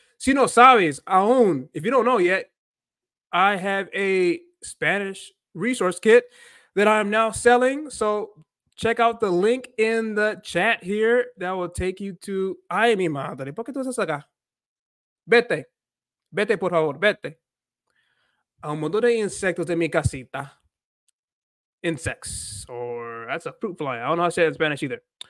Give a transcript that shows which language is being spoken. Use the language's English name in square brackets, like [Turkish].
[Spanish] Si no sabes aún, [English] if you don't know yet, I have a Spanish resource kit that I'm now selling. So check out the link in the chat here that will take you to... [Spanish] Ay, mi madre, ¿por qué tú estás acá? Vete. Vete, por favor, vete. A un montón de insectos de mi casita. [English] Insects, or that's a fruit fly. I don't know how to say it in Spanish either.